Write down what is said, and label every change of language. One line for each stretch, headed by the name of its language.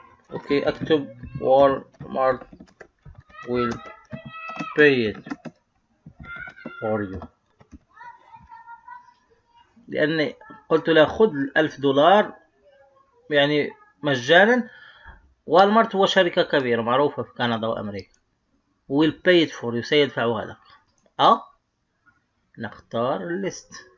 English: Okay,
Arabic: اكتب
English: Walmart will pay it for you.
Arabic: لأني قلت له خذ $1,000 يعني مجانا. والمارت هو شركة كبيرة معروفة في كندا وأمريكا.
English: will pay it for you
Arabic: سيدفعها لك. نختار list.